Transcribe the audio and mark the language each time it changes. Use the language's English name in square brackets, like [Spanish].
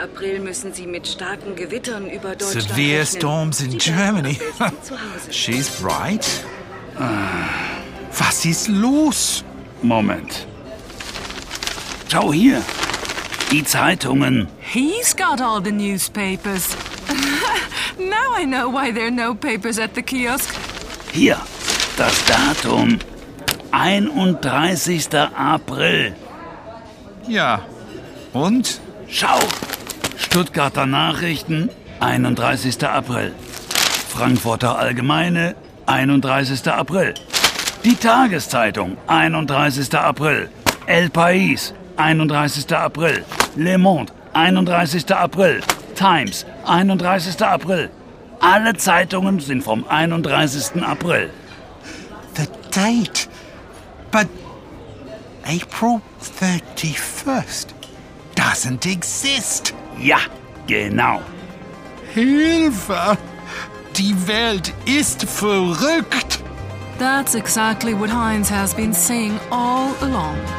[German] April müssen Sie mit starken Gewittern über Deutschland rechnen. [English] Severe storms in Germany. She's right. [German] Was ist los? Moment. Schau hier. Die Zeitungen. [English] He's got all the newspapers. Now I know why there are no papers at the kiosk. [German] Hier, das Datum. 31. April. Ja, und? Schau, Stuttgarter Nachrichten, 31. April. Frankfurter Allgemeine, 31. April. Die Tageszeitung, 31. April. El País, 31. April. Le Monde, 31. April. Times, 31. April. Alle Zeitungen sind vom 31. April. [English] The date. But April 31st doesn't exist. [German] Ja, genau. Hilfe! Die Welt ist verrückt. [English] That's exactly what Heinz has been saying all along.